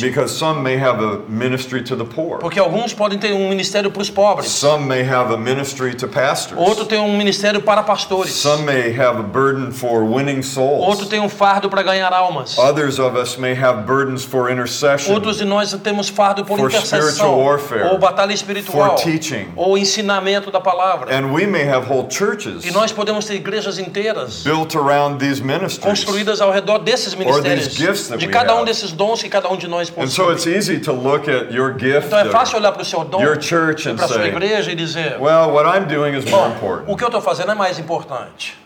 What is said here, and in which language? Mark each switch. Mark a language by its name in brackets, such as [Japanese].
[English] Because some may have a ministry to the poor. [Portuguese] Porque alguns podem ter um ministério para os pobres. [English] Some may have a ministry to pastors. [Portuguese] Outro tem um ministério para pastores. [English] Some may have a burden for winning souls. [Portuguese] Outro tem um fardo para ganhar almas. [English] Others of us may have burdens for intercession. [Portuguese] Outros de nós temos fardo por [English] for [Portuguese] intercessão. [English] Spiritual warfare, [Portuguese] ou batalha espiritual. [English] For teaching, [Portuguese] ou ensinamento da palavra. [English] And we may have whole churches [Portuguese] e nós podemos ter igrejas inteiras [English] built around these ministries, [Portuguese] construídas ao redor desses ministérios de cada um desses dons que cada um de nós possui. [English] And so it's easy to look at your gift, [Portuguese] então é fácil olhar para o seu dom, [English] your church, and [Portuguese] para a sua [English] say, [Portuguese] igreja e dizer, [English] well, what I'm doing is more important. [Portuguese] O que eu estou fazendo é mais importante.